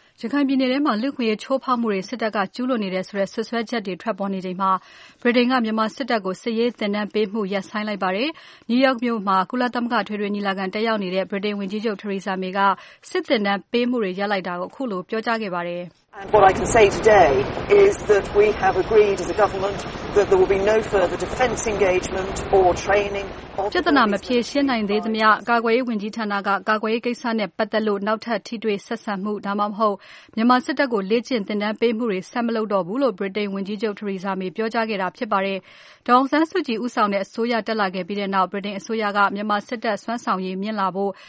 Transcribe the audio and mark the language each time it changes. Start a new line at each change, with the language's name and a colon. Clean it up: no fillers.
Burmese: ။ရခိုင်ပြည်နယ်ထဲမှာလူခွေရဲ့ချိုးဖောက်မှုတွေစစ်တပ်ကကျူးလွန်နေတဲ့ဆိုရဲဆွဆွဲချက်တွေထွက်ပေါ်နေချိန်မှာဗြိတိန်ကမြန်မာစစ်တပ်ကိုစစ်ရေးသင်တန်းပေးမှုရပ်ဆိုင်းလိုက်ပါတယ်။နယူးယောက်မြို့မှာကုလသမဂ္ဂထွေထွေညီလာခံတက်ရောက်နေတဲ့ဗြိတိန်ဝန်ကြီးချုပ်ထရီဆာမေကစစ်သင်တန်းပေးမှုတွေရပ်လိုက်တာကိုအခုလိုပြောကြားခဲ့ပါတယ်။
English: And what I can say today is that we have agreed as a government that there will be no further defense engagement or training
Burmese: ပြဿနာမဖြေရှင်းနိုင်သေးသမျှကာကွယ်ရေးဝန်ကြီးဌာနကကာကွယ်ရေးကိစ္စနဲ့ပတ်သက်လို့နောက်ထပ်ထိတွေ့ဆက်ဆံမှုဒါမှမဟုတ်မြန်မာစစ်တပ်ကိုလေ့ကျင့်သင်တန်းပေးမှုတွေဆက်မလုပ်တော့ဘူးလို့ဗြိတိန်ဝန်ကြီးချုပ်ထရီဆာမေပြောကြားခဲ့တာဖြစ်ပါတယ်။ဒေါန်ဆန်းစုကြည်ဦးဆောင်တဲ့အစိုးရတက်လာခဲ့ပြီးတဲ့နောက်ဗြိတိန်အစိုးရကမြန်မာစစ်တပ်ဆွမ်းဆောင်ရေးမြင့်လာဖို့